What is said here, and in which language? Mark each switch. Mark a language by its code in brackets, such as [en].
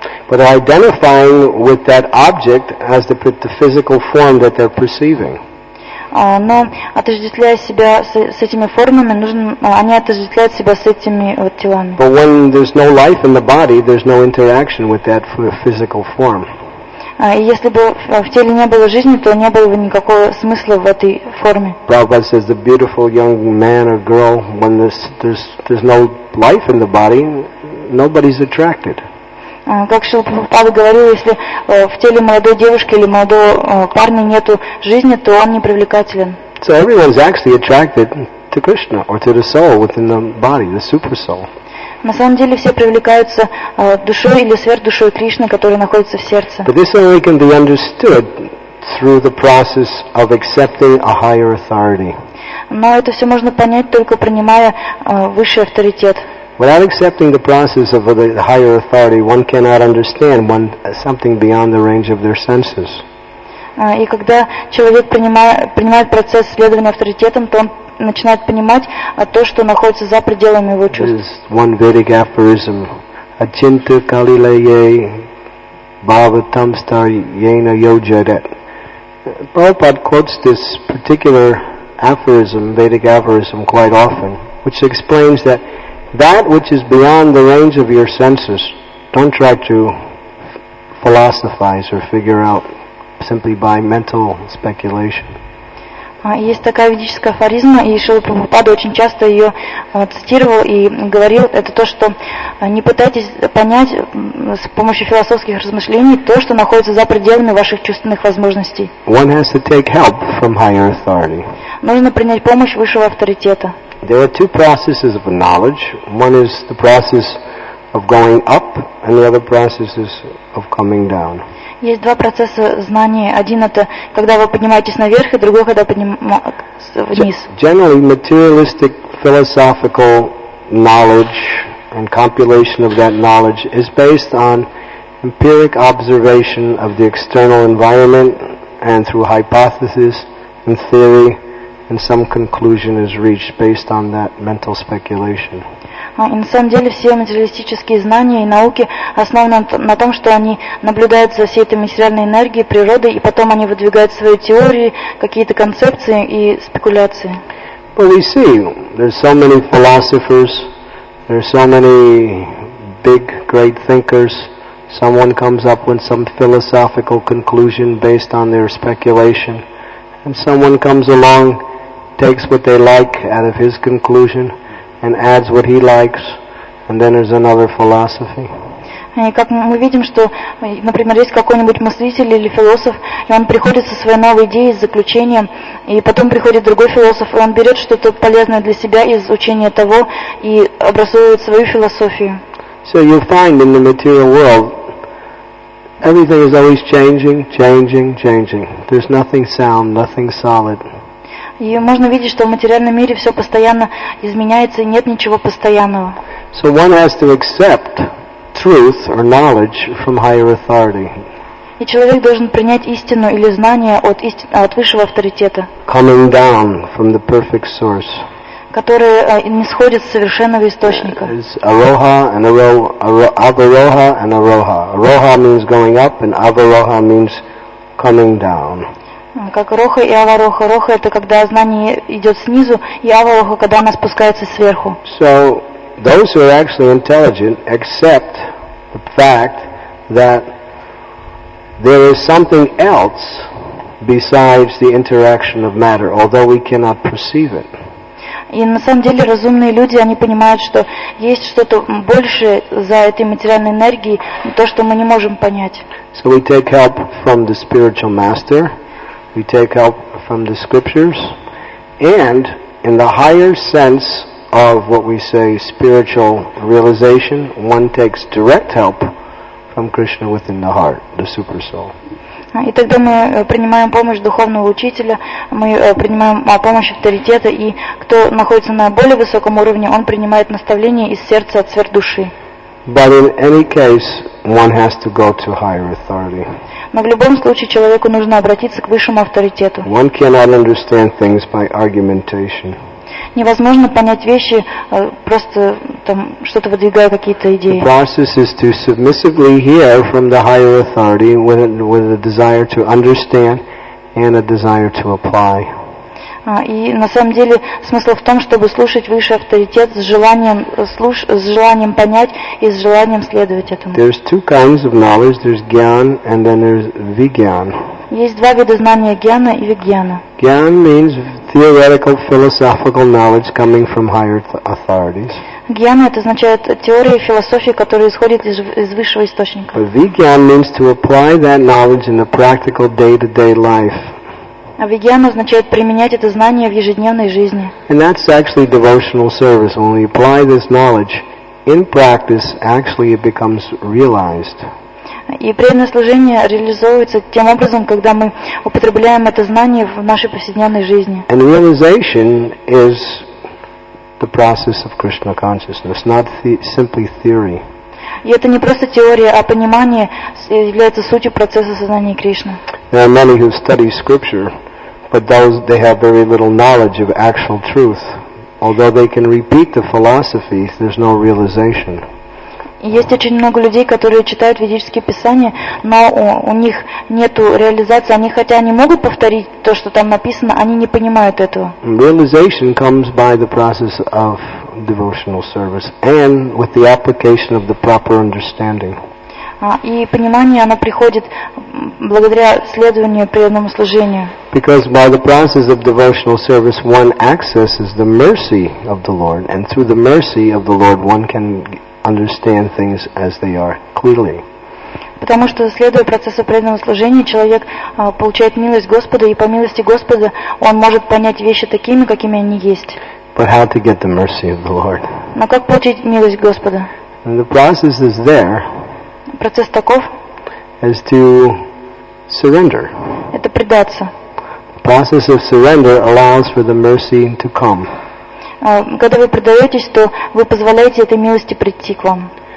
[en] But identifying with that object as the physical form that they're perceiving. [ru] Но отождествляя себя с этими формами, они отождествляют себя с этими вот телами. [en] But when there's no life in the body, there's no interaction with that physical form. [ru] И если бы в теле не было жизни, то не было бы никакого смысла в этой форме. [en] Prabhupada says the beautiful young man or girl, when there's no life in the body, nobody's attracted. [ru] Как Шрила Прабхупада говорил, если в теле молодой девушки или молодого парня нету жизни, то он не привлекателен. [en] So everyone's actually attracted to Krishna or to the soul within the body, the super soul. [ru] На самом деле все привлекаются душой или сверхдушой Кришны, которая находится в сердце. [en] But this only can be understood through the process of accepting a higher authority. [ru] Но это все можно понять только принимая высший авторитет. [en] Without accepting the process of the higher authority, one cannot understand something beyond the range of their senses. [ru] И когда человек принимает процесс следования авторитетам, то он начинает понимать то, что находится за пределами его чувств. [en] There's one Vedic aphorism: [sa] "Achinta kalilaye bhavatam star yena yojadet." [en] Prabhupada quotes this particular aphorism, Vedic aphorism, quite often, which explains that that which is beyond the range of your senses, don't try to philosophize or figure out simply by mental speculation. [ru] Есть такая ведическая афоризма, и Шрила Прабхупада очень часто ее цитировал и говорил, это то, что не пытайтесь понять с помощью философских размышлений то, что находится за пределами ваших чувственных возможностей. [en] One has to take help from higher authority. [ru] Нужно принять помощь высшего авторитета. [en] There are two processes of knowledge. One is the process of going up, and the other process is of coming down. [ru] Есть два процесса знания. Один это когда вы поднимаетесь наверх, и другой когда поднимаетесь вниз. [en] Generally, materialistic philosophical knowledge and compilation of that knowledge is based on empiric observation of the external environment and through hypothesis and theory, and some conclusion is reached based on that mental speculation. [ru] На самом деле все материалистические знания и науки основаны на том, что они наблюдают за всей этой материальной энергией, природой, и потом они выдвигают свои теории, какие-то концепции и спекуляции. [en] But we see, there's so many philosophers, there's so many big, great thinkers, someone comes up with some philosophical conclusion based on their speculation, and someone comes along, takes what they like out of his conclusion, and adds what he likes, and then there's another philosophy. [ru] И как мы видим, что, например, есть какой-нибудь мыслитель или философ, и он приходит со своей новой идеей, с заключением, и потом приходит другой философ, и он берет что-то полезное для себя из учения того и образует свою философию. [en] So you find in the material world, everything is always changing, changing, changing. There's nothing sound, nothing solid. [ru] И можно видеть, что в материальном мире все постоянно изменяется, и нет ничего постоянного. [en] So one has to accept truth or knowledge from higher authority. [ru] И человек должен принять истину или знание от высшего авторитета. [en] Coming down from the perfect source. [ru] Которое нисходит с совершенного источника. [en] It's aroha and avaroha and aroha. Aroha means going up, and avaroha means coming down. [ru] Как роха и авароха. Роха это когда знание идет снизу, и авароха когда оно спускается сверху. [en] So those who are actually intelligent accept the fact that there is something else besides the interaction of matter, although we cannot perceive it. [ru] И на самом деле разумные люди, они понимают, что есть что-то большее за этой материальной энергией, то, что мы не можем понять. [en] So we take help from the spiritual master. We take help from the scriptures, and in the higher sense of what we say spiritual realization, one takes direct help from Krishna within the heart, the super soul. [ru] И тогда мы принимаем помощь духовного учителя, мы принимаем помощь авторитета, и кто находится на более высоком уровне, он принимает наставление из сердца от сверхдуши. [en] But in any case, one has to go to higher authority. [ru] Но в любом случае человеку нужно обратиться к высшему авторитету. [en] One cannot understand things by argumentation. [ru] Невозможно понять вещи просто там что-то выдвигая какие-то идеи. [en] The process is to submissively hear from the higher authority with a desire to understand and a desire to apply. [ru] И на самом деле смысл в том, чтобы слушать высший авторитет с желанием понять и с желанием следовать этому. [en] There's two kinds of knowledge. There's gyan and then there's vigyan. [ru] Есть два вида знания: гьяна и вигьяна. [en] Gyan means theoretical philosophical knowledge coming from higher authorities. [ru] Гьяна это означает теория и философия, которая исходит из высшего источника. [en] But vigyan means to apply that knowledge in the practical day-to-day life. [ru] Вигьяна означает применять это знание в ежедневной жизни. [en] And that's actually devotional service. When we apply this knowledge in practice, actually it becomes realized. [ru] И преданное служение реализовывается тем образом, когда мы употребляем это знание в нашей повседневной жизни. [en] And realization is the process of Krishna consciousness, not simply theory. [ru] И это не просто теория, а понимание является сутью процесса сознания Кришны. [en] There are many who study scripture, but those they have very little knowledge of actual truth. Although they can repeat the philosophies, there's no realization. [ru] Есть очень много людей, которые читают ведические писания, но у них нету реализации. Они, хотя они могут повторить то, что там написано, они не понимают этого. [en] Realization comes by the process of devotional service and with the application of the proper understanding. [ru] И понимание, оно приходит благодаря следованию преданному служению. [en] Because by the process of devotional service, one accesses the mercy of the Lord, and through the mercy of the Lord, one can understand things as they are clearly. [ru] Потому что следуя процессу преданного служения, человек получает милость Господа, и по милости Господа он может понять вещи такими, какими они есть. [en] But how to get the mercy of the Lord? [ru] Но как получить милость Господа? [en] The process is there. [ru] Процесс таков. [en] As to surrender. [ru] Это предаться. [en] The process of surrender allows for the mercy to come. [ru] Когда вы предаетесь, то вы позволяете этой милости прийти к вам.